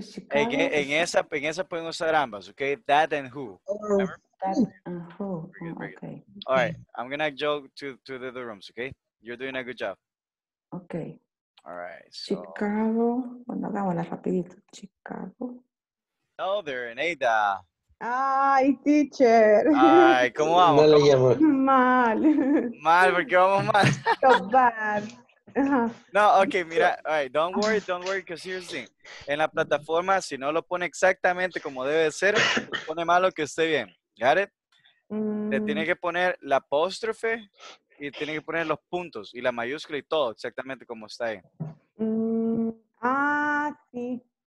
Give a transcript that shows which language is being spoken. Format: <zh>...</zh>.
<es>En esa, en esa pueden usar ambas, okay?</es> <en>That and who. That and who. Very good, very good. Okay. All right. I'm gonna go to the other rooms, okay? You're doing a good job. Okay. All right. So.</en> <es>Chicago. Bueno, hagámosla rapidito. Chicago.</es> <en>Oh, there, Eneida.</en> <es>Ay, teacher. Ay, ¿cómo vamos? No le llamo. Mal. Mal, ¿por qué vamos mal?</es> <en>So bad. No, okay, mira, all right, don't worry, because here's the thing.</en> <es>En la plataforma, si no lo pone exactamente como debe ser, pone malo que esté bien.</es> <en>Got it?</en> <es>Le tiene que poner la apóstrofe y tiene que poner los puntos y la mayúscula y todo exactamente como está ahí. Sí.</es>